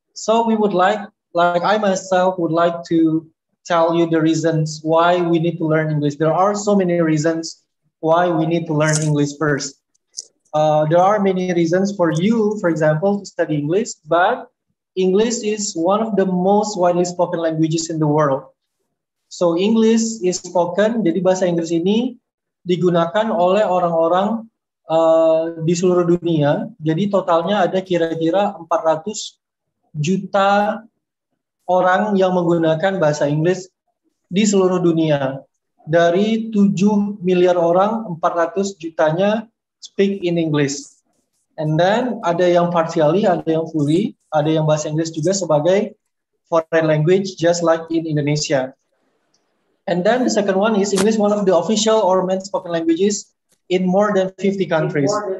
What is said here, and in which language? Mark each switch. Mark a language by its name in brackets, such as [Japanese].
[English] So we would like I myself would like to tell you the reasons why we need to learn English. There are so many reasons why we need to learn English first. There are many reasons for you, for example, to study English, but English is one of the most widely spoken languages in the world. So English is spoken, [Indonesian] jadi bahasa Inggris ini digunakan oleh orang-orang di seluruh dunia. Jadi totalnya ada kira-kira 400 juta orang yang menggunakan bahasa Inggris di seluruh dunia. Dari 7 miliar orang, 400 jutanya [English] speak in English. And then [Indonesian] ada yang partially, ada yang fully, ada yang bahasa Inggris juga sebagai foreign language [English] just like in Indonesia. And then the second one is English, one of the official or main spoken languages in more than 50 countries.